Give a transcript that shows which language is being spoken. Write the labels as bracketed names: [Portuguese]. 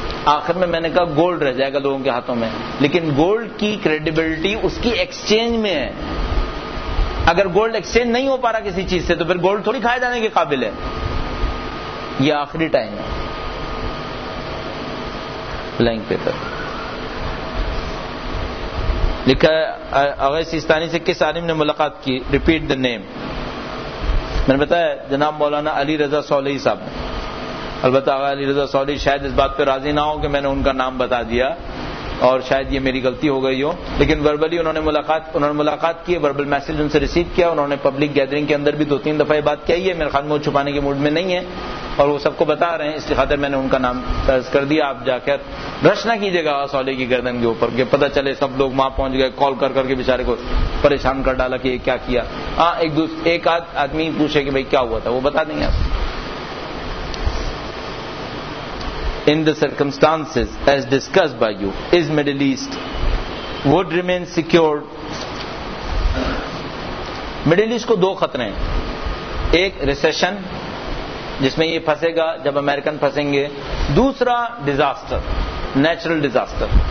[Urdu] آخر میں میں نے کہا گولڈ رہ جائے گا لوگوں کے ہاتھوں میں, لیکن گولڈ کی کریڈیبلٹی اس کی ایکسچینج میں ہے. اگر گولڈ ایکسچینج نہیں ہو پا رہا کسی چیز سے, تو پھر گولڈ تھوڑی کھائے جانے کے قابل ہے. یہ آخری ٹائم ہے. بلینک پیپر لکھا اویس سیستانی سے, کس عالم نے ملاقات کی؟ [English] Repeat the name. [Urdu] میں نے بتایا جناب مولانا علی رضا صالحی صاحب. البتہ آغا علی رضا صالحی شاید اس بات پہ راضی نہ ہو کہ میں نے ان کا نام بتا دیا, اور شاید یہ میری غلطی ہو گئی ہو, لیکن وربلی انہوں نے ملاقات کی, وربل میسج ان سے ریسیو کیا. انہوں نے پبلک گیدرنگ کے اندر بھی 2-3 دفعہ یہ بات کہی ہے. میرے خیال میں وہ چھپانے کے موڈ میں نہیں ہے اور وہ سب کو بتا رہے ہیں, اس لیے خاطر میں نے ان کا نام درج کر دیا. آپ جا کر رش نہ کیجیے گا صالح کی گردن کے اوپر, کہ پتہ چلے سب لوگ وہاں پہنچ گئے, کال کر کر کے بےچارے کو پریشان کر ڈالا کہ یہ کیا کیا. ہاں ایک آدمی پوچھے کہ بھائی کیا ہوا تھا, وہ بتا دیں گے آپ. [English] In the circumstances as discussed by you, is Middle East would remain secured? [Urdu] Middle East کو دو خطرے ہیں. ایک ریسیشن جس میں یہ پھنسے گا جب امریکن پھنسیں گے, دوسرا ڈیزاسٹر, نیچرل ڈیزاسٹر.